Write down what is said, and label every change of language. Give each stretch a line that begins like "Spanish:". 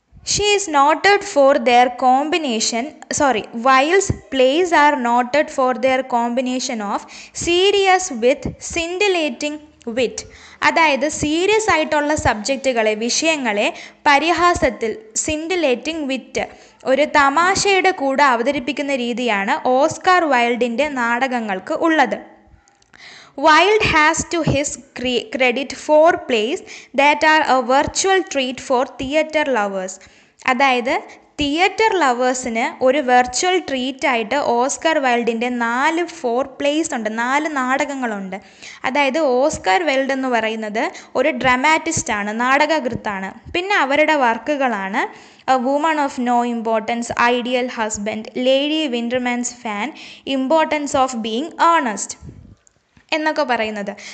English: She is noted for their combination, whilst plays are noted for their combination of serious with scintillating wit.
Malayalam: അതായത് serious ആയിട്ടുള്ള സബ്ജക്റ്റുകളെ, വിഷയങ്ങളെ പരിഹാസത്തിൽ, സിൻഡിലേറ്റിംഗ് വിറ്റ്, ഒരു തമാശയുടെ കൂടെ അവതരിപ്പിക്കുന്ന രീതിയാണ് ഓസ്കാർ വൈൽഡിൻ്റെ നാടകങ്ങൾക്ക് ഉള്ളത്.
English: Wilde has to his credit four plays that are a virtual treat for theatre lovers.
Malayalam: അതായത് തിയേറ്റർ ലവേഴ്സിന് ഒരു വെർച്വൽ ട്രീറ്റ് ആയിട്ട് ഓസ്കർ വൈൽഡിൻ്റെ നാല് നാടകങ്ങളുണ്ട്. അതായത് ഓസ്കർ വൈൽഡ് എന്ന് പറയുന്നത് ഒരു ഡ്രാമാറ്റിസ്റ്റ് ആണ്, നാടകകൃത്താണ്. പിന്നെ അവരുടെ വർക്കുകളാണ് A woman of no importance, ideal husband, lady വിൻ്റർമാൻസ് fan, importance of being Ernest എന്നൊക്കെ പറയുന്നത്.